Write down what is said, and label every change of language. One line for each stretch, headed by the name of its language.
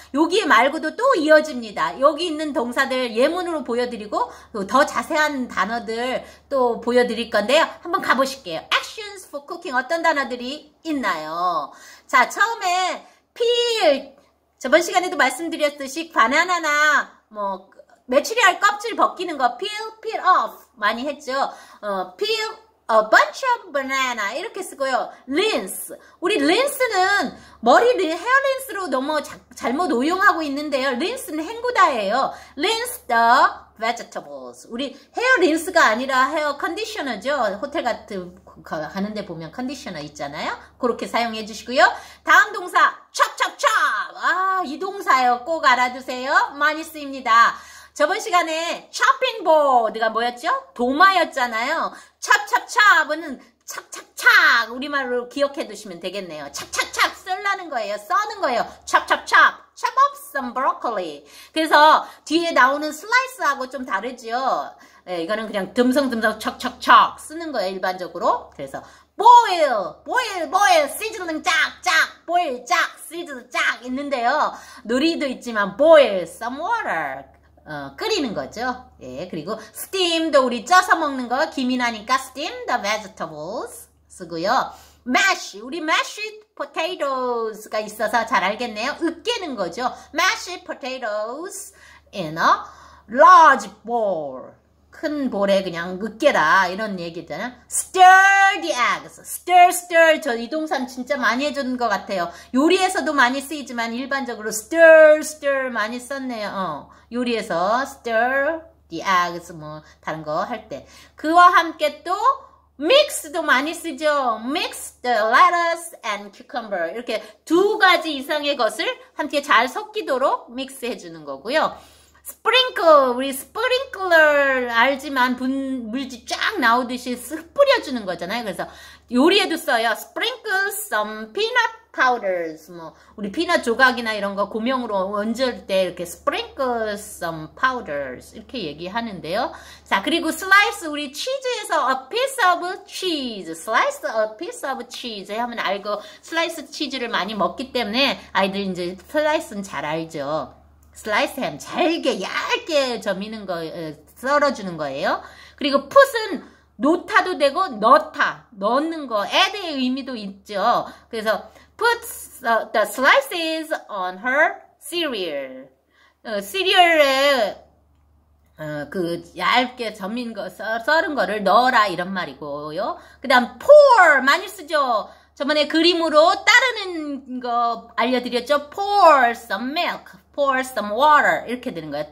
Korean: 여기 말고도 또 이어집니다. 여기 있는 동사들 예문으로 보여드리고 더 자세한 단어들 또 보여드릴 건데요. 한번 가보실게요.
English: Actions for cooking
Korean: 어떤 단어들이 있나요? 자, 처음에 peel. 저번 시간에도 말씀드렸듯이 바나나나 뭐 메추리알 껍질 벗기는 거 peel off 많이 했죠.
English: peel a bunch of banana
Korean: 이렇게 쓰고요.
English: rinse.
Korean: 우리 rinse는 머리를 헤어 rinse로 너무 잘못 오용하고 있는데요. rinse는 헹구다예요.
English: rinse the vegetables.
Korean: 우리 헤어 rinse가 아니라 헤어 컨디셔너죠. 호텔 같은 가는데 보면 컨디셔너 있잖아요. 그렇게 사용해 주시고요. 다음 동사 chop chop chop. 아, 이 동사요. 꼭 알아두세요. 많이 쓰입니다. 저번 시간에 chopping board가 뭐였죠? 도마였잖아요. chop chop chop은 착착착 우리말로 기억해 두시면 되겠네요. 착착착 쓰라는 거예요. 써는 거예요. chop chop chop.
English: chop up some broccoli.
Korean: 그래서 뒤에 나오는 slice하고 좀 다르죠. 네, 이거는 그냥 듬성듬성 척척척 쓰는 거예요, 일반적으로. 그래서 boil, sizzling 쫙쫙, boil 쫙, sizzle 쫙 있는데요. 누리도 있지만
English: boil some water
Korean: 끓이는 거죠. 예, 그리고 steam도 우리 쪄서 먹는 거 김이 나니까
English: steam the vegetables
Korean: 쓰고요. mash, 우리 mashed potatoes가 있어서 잘 알겠네요. 으깨는 거죠.
English: mashed potatoes in a large bowl.
Korean: 큰 볼에 그냥 으깨라 이런 얘기 있잖아.
English: Stir the eggs. Stir, stir.
Korean: 저 이 동산 진짜 많이 해준 것 같아요. 요리에서도 많이 쓰이지만 일반적으로 stir, stir 많이 썼네요. 요리에서
English: stir the eggs
Korean: 뭐 다른 거 할 때. 그와 함께 또 mix도 많이 쓰죠.
English: Mix the lettuce and cucumber.
Korean: 이렇게 두 가지 이상의 것을 함께 잘 섞이도록 mix 해주는 거고요. sprinkle, 우리 sprinkler 알지만 물질 쫙 나오듯이 뿌려주는 거잖아요. 그래서 요리에도 써요.
English: sprinkle some peanut powders.
Korean: 뭐, 우리 피넛 조각이나 이런 거 고명으로 얹을 때 이렇게
English: sprinkle some powders.
Korean: 이렇게 얘기하는데요. 자, 그리고 slice, 우리 치즈에서
English: a piece of cheese. slice a piece of cheese
Korean: 하면 알고 slice 치즈를 많이 먹기 때문에 아이들 이제 slice는 잘 알죠. 슬라이스 햄, 잘게, 얇게 저미는 거, 썰어주는 거예요. 그리고 put은 놓다도 되고, 넣다, 넣는 거, add의 의미도 있죠. 그래서
English: put the slices on her cereal.
Korean: cereal에, 그, 얇게 저민 거, 썰은 거를 넣어라, 이런 말이고요. 그 다음, pour, 많이 쓰죠. 저번에 그림으로 따르는 거 알려드렸죠.
English: pour some milk. pour some water
Korean: 이렇게 되는 거예요.